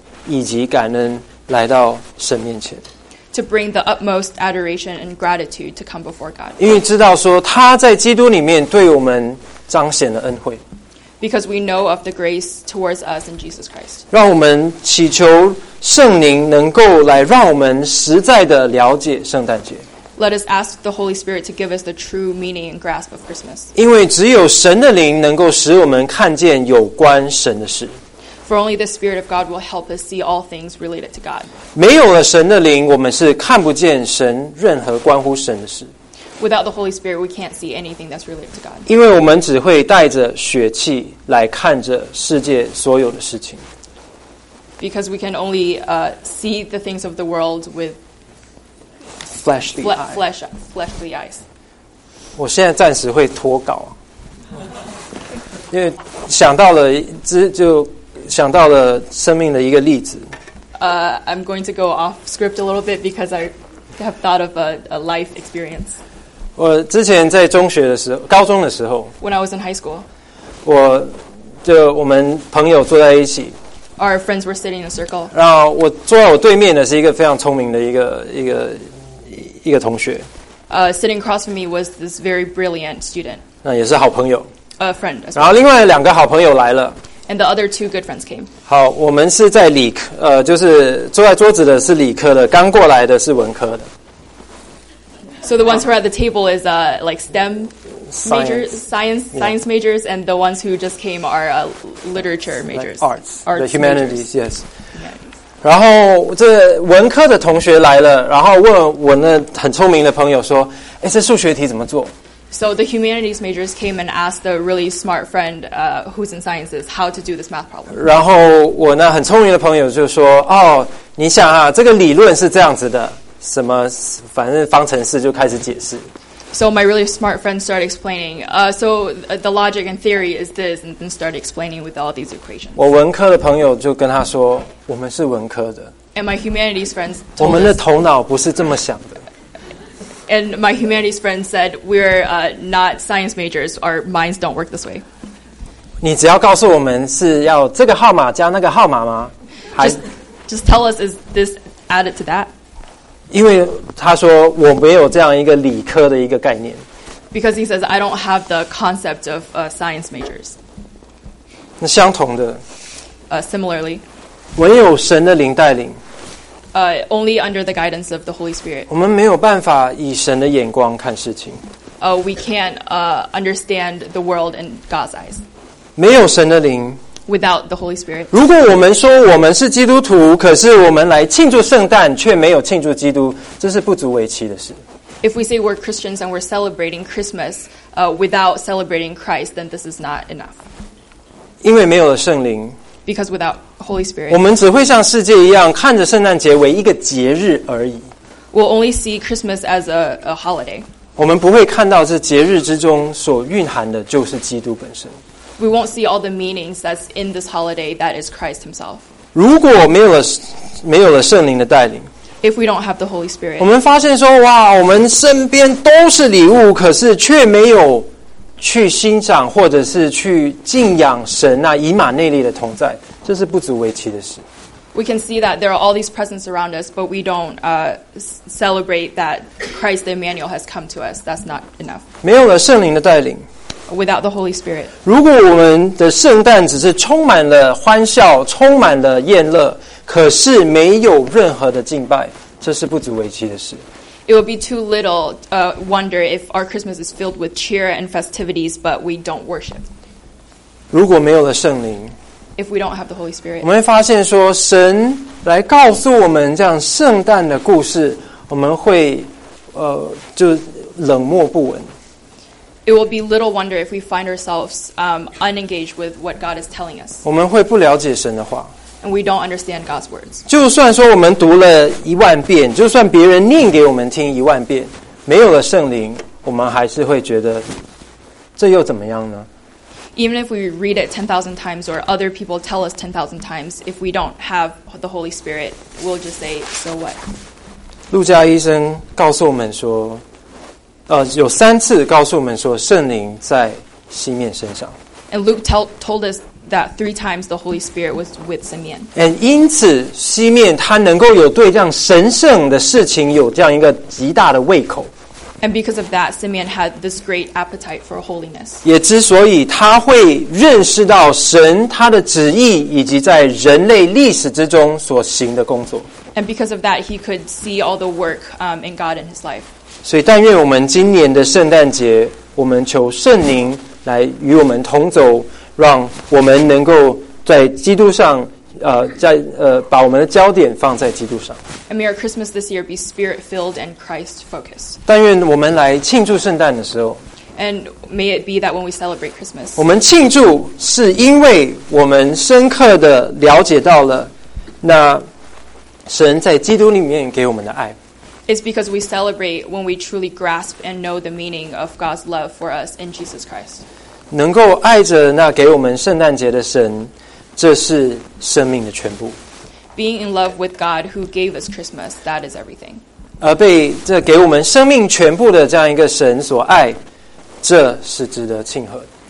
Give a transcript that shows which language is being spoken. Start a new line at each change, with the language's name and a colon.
Chinese: 带着我们对神那最崇高的敬仰以及感恩来到神面前
English: To bring the utmost adoration and gratitude to come before God
Chinese: 因为知道说他在基督里面对我们彰显了恩惠
English: Because we know of the grace towards us in Jesus Christ
Chinese: 让我们祈求圣灵能够来让我们实在的了解圣诞节
English: Let us ask the Holy Spirit to give us the true meaning and grasp of Christmas.
Chinese: 因为只有神的灵能够使我们看见有关神的事。
English: For only the Spirit of God will help us see all things related to God.
Chinese: 没有了神的灵，我们是看不见神任何关乎神的事。
English: Without the Holy Spirit, we can't see anything that's related to God.
Chinese: 因为我们只会带着血气来看着世界所有的事情。
English: because we can only see the things of the world with fleshly eyes.
Chinese: 我现在暂时会脱稿，因为想到了之就想到了生命的一个例子。
English: I'm going to go off script a little bit because I have thought of a life experience.
Chinese: 我之前在中学的时候，高中的时候
English: ，When I was in high school,
Chinese: 我就我们朋友坐在一起
English: ，Our friends were sitting in a circle.
Chinese: 然后我坐在我对面的是一个非常聪明的一个同学。
English: Sitting across from me was this very brilliant student.
Chinese: 那也是好朋友。
English: A friend. As well.
Chinese: 然后另外两个好朋友来了。
English: And the other two good friends came.
Chinese: 好，我们是在理科，就是坐在桌子的是理科的，刚过来的是文科的。
English: So the ones who are at the table is like STEM majors, science majors, and the ones who just came are literature majors, like arts, the humanities, majors. Yes.
Chinese: 然后这文科的同学来了，然后问我那很聪明的朋友说：“哎，这数学题怎么做？”
English: So the humanities majors came and asked the really smart friend, who's in sciences, how to do this math problem.
Chinese: 然后我那很聪明的朋友就说：“哦，你想啊，这个理论是这样子的，什么反正方程式就开始解释。”
English: So my really smart friend started explaining. So the logic and theory is this, and then started explaining with all these equations.
Chinese: 我文科的朋友就跟他说：“我们是文科的。”
English: And my humanities friends.
Chinese: 我们的头脑不是这么想的。
English: And my humanities friend said, "We're not science majors. Our minds don't work this way."
Chinese: 你只要告诉我们是要这个号码加那个号码吗？
English: 还 just tell us is this added to that?
Chinese: 因为他说我没有这样一个理科的一个概念。
English: Because he says I don't have the concept of science majors.
Chinese: 那相同的。
English: Similarly.
Chinese: 唯有神的灵带领。
English: Only under the guidance of the Holy Spirit.
Chinese: 我们没有办法以神的眼光看事情。
English: We can't understand the world in God's eyes.
Chinese: 没有神的灵。
English: Without the Holy Spirit.
Chinese: 如果我们说我们是基督徒，可是我们来庆祝圣诞却没有庆祝基督，这是不足为奇的事。
English: If we say we're Christians and we're celebrating Christmas, without celebrating Christ, then this is not enough.
Chinese: 因为没有了圣灵。
English: Because without Holy Spirit,
Chinese: 我们只会像世界一样看着圣诞节为一个节日而已。
English: We'll only see Christmas as a holiday.
Chinese: 我们不会看到这节日之中所蕴含的就是基督本身。
English: We won't see all the meanings that's in this holiday that is Christ himself.
Chinese: 如果没有了圣灵的带领，
English: If we don't have the Holy Spirit,
Chinese: 我们发现说哇，我们身边都是礼物，可是却没有去欣赏或者是去敬仰神那以马内利的同在，这是不足为奇的事。
English: We can see that there are all these presents around us, but we don't celebrate that Christ the Emmanuel has come to us. That's not enough.
Chinese: 没有了圣灵的带领。
English: Without the Holy Spirit.
Chinese: 如果我们的圣诞只是充满了欢笑，充满了宴乐，可是没有任何的敬拜，这是不足为奇的事。
English: It would be too little wonder if our Christmas is filled with cheer and festivities, but we don't worship.
Chinese: 如果没有了圣灵，
English: if we don't have the Holy Spirit,
Chinese: 我们会发现说神来告诉我们这样圣诞的故事，我们会就冷漠不闻。
English: It will be little wonder if we find ourselves unengaged with what God is telling us.
Chinese: 我们会不了解神的话。
English: And we don't understand God's words.
Chinese: 就算说我们读了一万遍，就算别人念给我们听一万遍，没有了圣灵，我们还是会觉得这又怎么样呢？
English: Even if we read it 10,000 times or other people tell us 10,000 times, if we don't have the Holy Spirit, we'll just say, so what?
Chinese: 路加医生告诉我们说，有三次告诉我们说圣灵在西面身上。
English: And Luke told us that three times the Holy Spirit was with Simeon.
Chinese: And 因此西面他能够有对这样神圣的事情有这样一个极大的胃口。
English: And because of that, Simeon had this great appetite for holiness.
Chinese: 也之所以他会认识到神他的旨意以及在人类历史之中所行的工作。
English: And because of that, he could see all the work in God in his life.
Chinese: 所以但愿我们今年的圣诞节，我们求圣灵来与我们同走，让我们能够在基督上，把我们的焦点放在基督上。
English: And may our Christmas this year be spirit-filled and Christ-focused.
Chinese: 但愿我们来庆祝圣诞的时候。
English: And may it be that when we celebrate Christmas.
Chinese: 我们庆祝是因为我们深刻的了解到了那神在基督里面给我们的爱。
English: It's because we celebrate when we truly grasp and know the meaning of God's love for us in Jesus Christ.
Chinese: 能够爱着那给我们圣诞节的神，这是生命的全部。
English: Being in love with God who gave us Christmas, that is everything.
Chinese: 而被这给我们生命全部的这样一个神所爱，这是值得庆贺。